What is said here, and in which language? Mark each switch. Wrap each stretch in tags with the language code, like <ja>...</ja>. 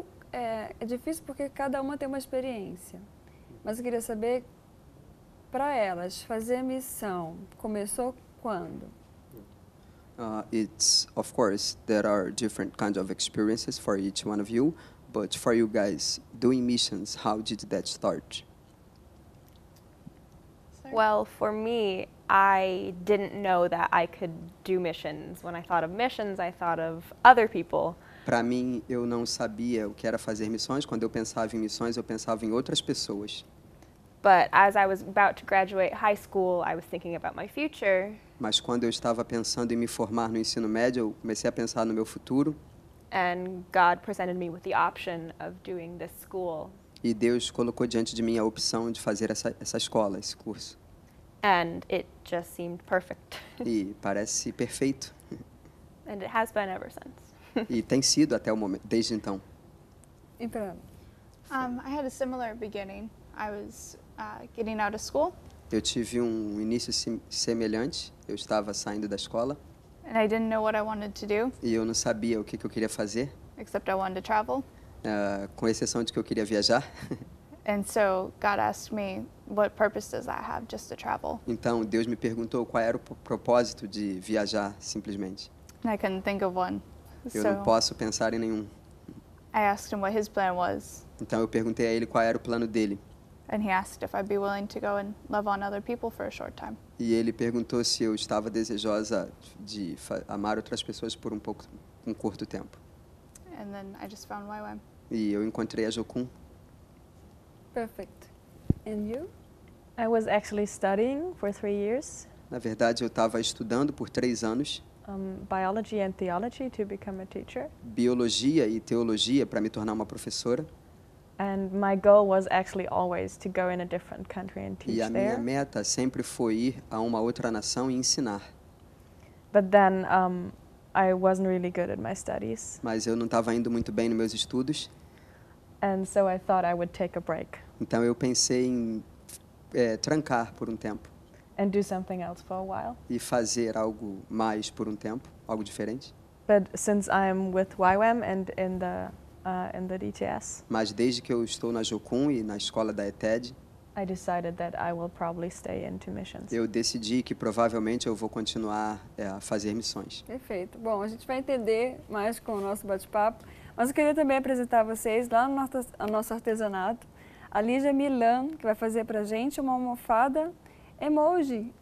<pt>É difícil porque cada uma tem uma experiência, mas eu queria saber, para elas, fazer a missão começou quando?</pt> <en>It's, of course, there are different kinds of experiences for each one of you, but for you guys, doing missions, how did that start? Well, for me, I didn't know that I could do missions. When I thought of missions, I thought of other people.</en> <pt>Para mim, eu não sabia o que era fazer missões. Quando eu pensava em missões, eu pensava em outras pessoas.</pt> <en>But as I was about to graduate high school, I was thinking about my future.</en> <pt>Mas quando eu estava pensando em me formar no ensino médio, eu comecei a pensar no meu futuro.</pt> <en>And God presented me with the option of doing this school.</en> <pt>E Deus colocou diante de mim a opção de fazer essa escola, esse curso.</pt> <en>And it just seemed perfect.</en> <pt>E parece perfeito.</pt> <en>And it has been ever since.</en> <pt>E tem sido até o momento, desde então. E para?</pt> <en>I had a similar beginning. I was getting out of school.</en> <pt>Eu tive um início semelhante. Eu estava saindo da escola.</pt> <en>And I didn't know what I wanted to do.</en> <pt>E eu não sabia o que eu queria fazer.</pt> <en>Except I wanted to travel.</en> <pt>Com exceção de que eu queria viajar.</pt> <en>And so God asked me, what purpose does that have just to travel?</en> <pt>Então Deus me perguntou qual era o propósito de viajar simplesmente.</pt> <en>And I couldn't think of one.</en> <pt>Eu não posso pensar em nenhum.</pt> <en>I asked him what his plan was.</en> <pt>Então eu perguntei a ele qual era o plano dele.</pt> <en>And he asked if I'd be willing to go and love on other people for a short time.</en> <pt>E ele perguntou se eu estava desejosa de amar outras pessoas por um curto tempo.</pt> <en>And then I just found YWAM.</en> <pt>E eu encontrei a Jocum.</pt> <en>Perfect. And you? I was actually studying for 3 years.</en> <pt>Na verdade, eu estava estudando por 3 anos.</pt> <en>Biology and theology to become a teacher.</en> <pt>Biologia e teologia para me tornar uma professora.</pt> <en>And my goal was actually always to go in a different country and teach there.</en> <pt>E a minha meta sempre foi ir a uma outra nação e ensinar.</pt> <en>But then I wasn't really good at my studies.</en> <pt>Mas eu não estava indo muito bem nos meus estudos.</pt> <en>And so I thought I would take a break.</en> <pt>Então eu pensei em trancar por um tempo.</pt> <en>and do something else for a while.</en> <pt>E fazer algo mais por tempo, algo diferente.</pt> <en>But since I'm with YWAM and in the DTS.</en> <pt>Mas desde que eu estou na Jokun e na escola da ETED,</pt> <en>I decided that I will probably stay into missions.</en> <pt>Eu decidi que provavelmente eu vou continuar a fazer missões. Perfeito. Bom, a gente vai entender mais com o nosso bate-papo, mas eu queria também apresentar a vocês lá no nosso artesanato, a Lígia Milan, que vai fazer pra gente uma almofada emoji.</pt>